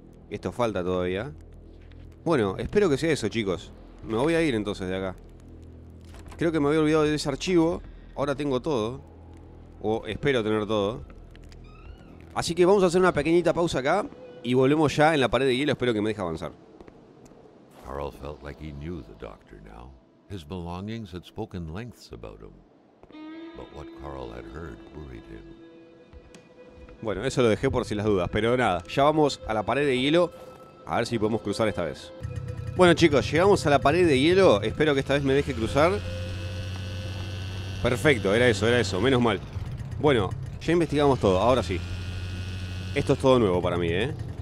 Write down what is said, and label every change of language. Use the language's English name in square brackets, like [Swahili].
[Spanish] Esto falta todavía. Bueno, espero que sea eso, chicos. Me voy a ir entonces de acá. Creo que me había olvidado de ese archivo. Ahora tengo todo. O espero tener todo. Así que vamos a hacer una pequeñita pausa acá. Y volvemos ya en la pared de hielo. Espero que me deje avanzar. [English] Carl felt like he knew the doctor now. His belongings had spoken lengths about him. But what Carl had heard worried him. [Spanish] Bueno, eso lo dejé por si las dudas. Pero nada, ya vamos a la pared de hielo. A ver si podemos cruzar esta vez. Bueno, chicos, llegamos a la pared de hielo. Espero que esta vez me deje cruzar. Perfecto, era eso, menos mal. Bueno, ya investigamos todo, ahora sí. Esto es todo nuevo para mí, ¿eh?